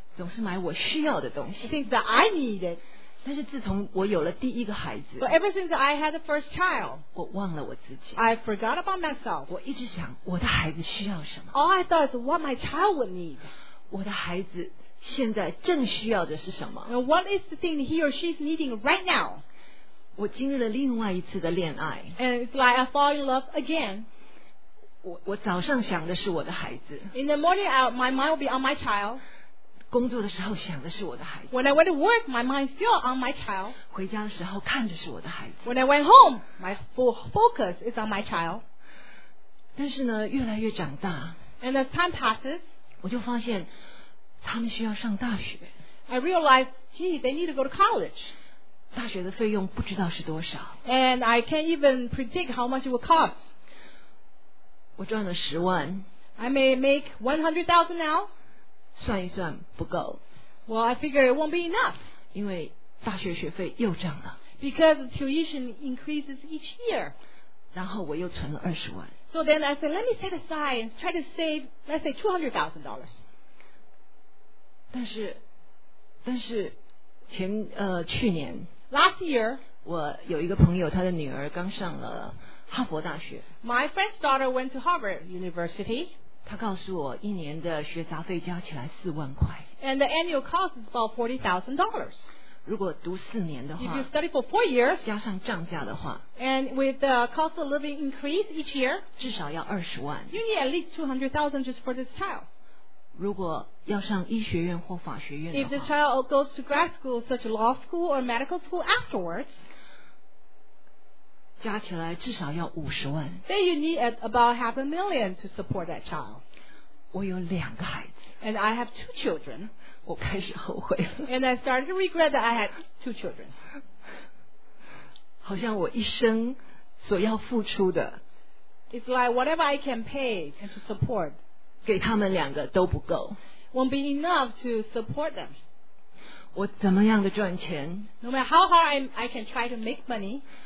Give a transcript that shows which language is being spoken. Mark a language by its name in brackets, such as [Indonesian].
[Chinese] 总是买我需要的东西 [English] Things that I needed [Chinese] 但是自从我有了第一个孩子 [English] But ever since I had a first child [Chinese] 我忘了我自己 [English] I forgot about myself [Chinese] 我一直想我的孩子需要什么 [English] All I thought is what my child would need [Chinese] 我的孩子现在正需要的是什么 [English] Now, What is the thing he or she is needing right now [Chinese] 我经历了另外一次的恋爱 [English] And it's like I fall in love again [Chinese] 我早上想的是我的孩子 [English] In the morning my mind will be on my child [Chinese] 工作的时候想的是我的孩子 [English] When I went to work my mind is still on my child [Chinese] 回家的时候看着是我的孩子 [English] When I went home my full focus is on my child [Chinese] 但是呢越来越长大 [English] And as time passes [Chinese] 我就发现他们需要上大学 [English] I realized gee they need to go to college [Chinese] 大学的费用不知道是多少 [English] And I can't even predict how much it will cost [Chinese] 我赚了十万 [English] I may make 100,000 now [Chinese] 算一算不够 [English] Well I figure it won't be enough [Chinese] 因为大学学费又涨了 [English] Because the tuition increases each year [Chinese] 然后我又存了二十万 [English] So then I said let me set aside and try to save let's say $200,000 [Chinese] 但是前去年 [English] Last year [Chinese] 我有一个朋友她的女儿刚上了哈佛大学 [English] My friend's daughter went to Harvard University [Chinese] 她告诉我一年的学杂费加起来40,000 [English] And the annual cost is about $40,000 [Chinese] 如果读四年的话 [English] If you study for 4 years [Chinese] 加上涨价的话 [English] And with the cost of living increase each year [Chinese] 至少要200,000 [English] You need at least $200,000 just for this child [Chinese] 如果要上医学院或法学院的话 [English] If the child goes to grad school such as law school or medical school afterwards [Chinese] 加起来至少要500,000 [English] Then you need about $500,000 to support that child [Chinese] 我有两个孩子 [English] And I have 2 children [Chinese] 我开始后悔了。 [English] And I started to regret that I had two children. [Chinese] 好像我一生所要付出的。 [English] It's like whatever I can pay and to support. [Chinese] 给他们两个都不够。 [English] Won't be enough to support them. [Chinese] 我怎么样的赚钱 [English] ？No matter how hard I can try to make money.